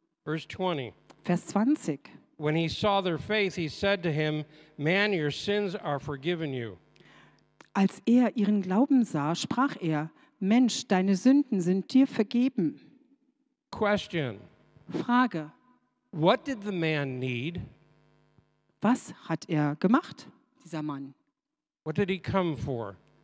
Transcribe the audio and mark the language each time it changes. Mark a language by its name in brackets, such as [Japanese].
[English] Verse 20. [German] Vers 20. [English] When he saw their faith, he said to him, "Man, your sins are forgiven you." [German] Als er ihren Glauben sah, sprach er, Mensch, deine Sünden sind dir vergeben. [English] Question. [German] Frage. [English] What did the man need? [German] Was hat er gemacht, dieser Mann? [English] What did he come for?